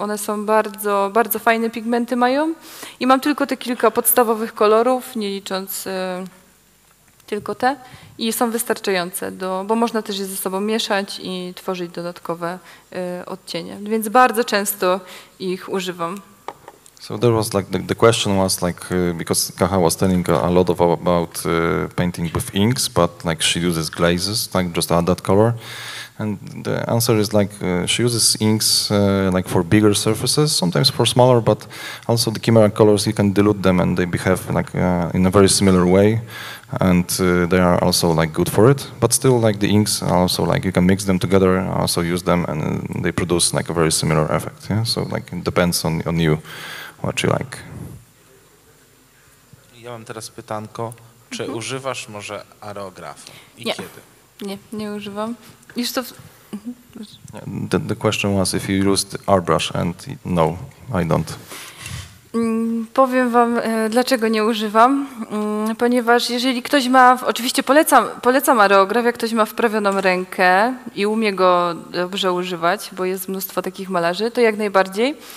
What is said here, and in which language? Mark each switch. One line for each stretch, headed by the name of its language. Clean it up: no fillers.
Polish: One są bardzo, bardzo fajne pigmenty mają i mam tylko te kilka podstawowych kolorów, nie licząc tylko te, i są wystarczające, bo można też je ze sobą mieszać i tworzyć dodatkowe odcienie, więc bardzo często ich używam.
English: So there was like the question was like because Kaha was telling a lot of about painting with inks, but like she uses glazes, like just add that color, and the answer is like she uses inks like for bigger surfaces, sometimes for smaller, but also the Chimera colors, you can dilute them and they behave like in a very similar way, and they are also like good for it, but still like the inks also like you can mix them together, also use them, and they produce like a very similar effect. Yeah, so like it depends on you. What you like.
Polish: Ja mam teraz pytanko, czy używasz może aerografu? I nie. Kiedy? Nie używam. Już to...
English: The question was if you used airbrush, and no, I don't.
Polish: Powiem wam, dlaczego nie używam. Ponieważ jeżeli ktoś ma, oczywiście polecam aerograf, jak ktoś ma wprawioną rękę i umie go dobrze używać, bo jest mnóstwo takich malarzy, to jak najbardziej.